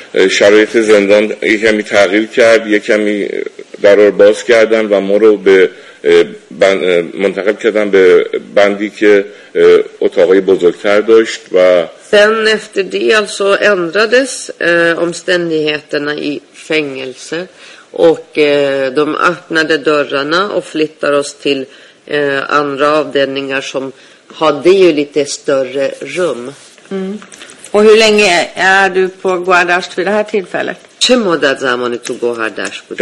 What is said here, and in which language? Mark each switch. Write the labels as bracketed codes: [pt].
[fa] شرایط زندان یک کمی تغییر کرد، یک کمی درار باز کردن و ما رو به منتقل کردن به بندی که اتاقای بزرگتر داشت. و [sv] sen efter det alltså ändrades omständigheterna i fängelse och de öppnade dörrarna och flyttade oss till andra avdelningar som hade ju lite större rum. Mm. Och hur länge är du på Guardasht vid det här tillfället? [fa] چه مدت زمانی تو گوهردشت بودی؟